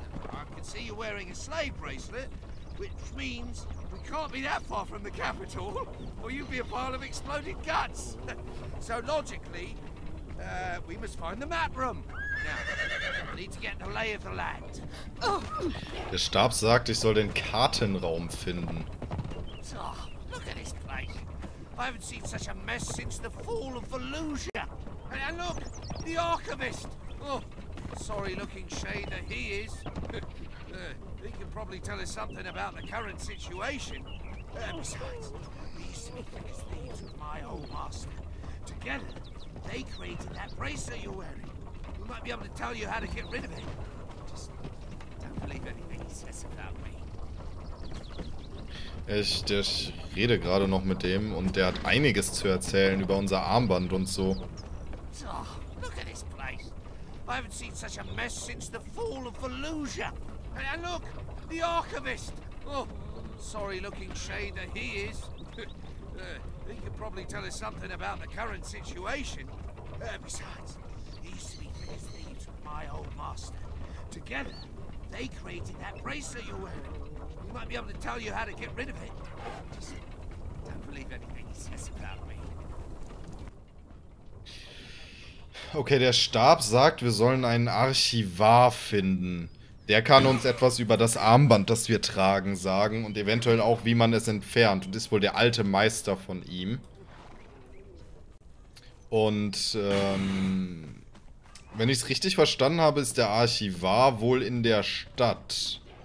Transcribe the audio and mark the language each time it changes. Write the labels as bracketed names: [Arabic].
[English] I can see you're wearing a slave bracelet, which means we can't be that far from the capital, or you'd be a pile of exploded guts. So logically, we must find the map room. Now, we need to get the lay of the land. [German] Der Stab sagt, ich soll den Kartenraum finden. [English] Oh, look at this place. I haven't seen such a mess since the fall of Volusia. And look, the archivist. Oh, sorry looking shader he is. He can probably tell us something about the current situation. Besides, these are the biggest thieves with my old master. Together, they created that bracelet you're wearing. We might be able to tell you how to get rid of it. Just don't believe anything he says about me. [German] Ich rede gerade noch mit dem und der hat einiges zu erzählen über unser Armband und so. [English] Oh, look at this place. I haven't seen such a mess since the fall of Volusia. And look, the Archivist! Oh, sorry-looking shader he is. he could probably tell us something about the current situation. Besides, he used to be thick thieves with my old master. Together, they created that bracelet you're wearing. He might be able to tell you how to get rid of it. Just don't believe anything he says about me. [German] Okay, der Stab sagt, wir sollen einen Archivar finden. Der kann uns etwas über das Armband, das wir tragen, sagen und eventuell auch, wie man es entfernt. Und ist wohl der alte Meister von ihm. Und wenn ich es richtig verstanden habe, ist der Archivar wohl in der Stadt.